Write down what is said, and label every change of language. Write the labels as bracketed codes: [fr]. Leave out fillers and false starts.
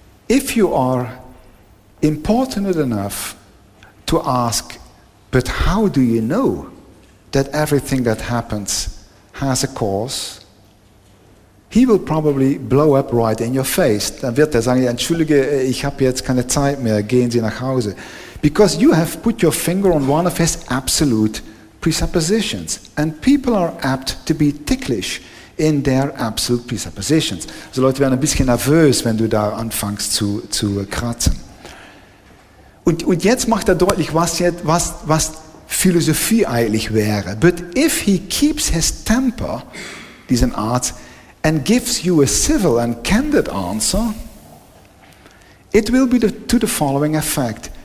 [en] If you are important enough to ask, but how do you know that everything that happens has a cause, he will probably blow up right in your face. [de] Dann wird er sagen, entschuldige, ich habe jetzt keine Zeit mehr, gehen Sie nach Hause. [en] Because you have put your finger on one of his absolute presuppositions. And people are apt to be ticklish in their absolute presuppositions. [de] So Leute werden ein bisschen nervös, wenn du da anfängst zu kratzen. Und jetzt macht er deutlich, was Philosophie eigentlich wäre. [en] But if he keeps his temper, [de] diesen Arzt, [en] and gives you a civil and candid answer, it will be to the following effect.